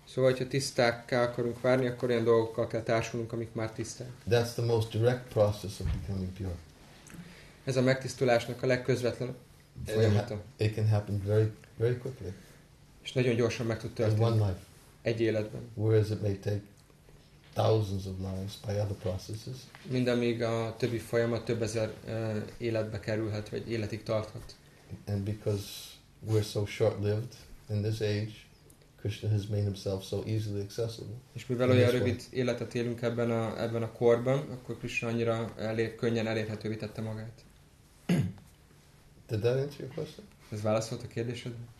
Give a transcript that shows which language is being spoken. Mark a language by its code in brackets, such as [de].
[hu] Szóval, hogyha tisztákká akarunk várni, akkor ilyen dolgokkal kell társulnunk, amik már tiszták. [en] That's the most direct process of becoming pure. [hu] Ez a megtisztulásnak a legközvetlenebb. [en] It can happen very, very quickly. [hu] És nagyon gyorsan meg tud történni. [en] In one life. [hu] Egy életben. [en] Whereas it may take thousands of lives by other processes. [hu] Mindamíg a többi folyamat több ezer életbe kerülhet, vagy életig tarthat. [en] And because we're so short-lived in this age, Krishna has made himself so easily accessible. [hu] És mivel olyan rövid életet élünk ebben a korban, akkor Krishna annyira könnyen elérhetővé tette magát. [en] Did that answer your question? [hu] Ez válaszolt a kérdésed?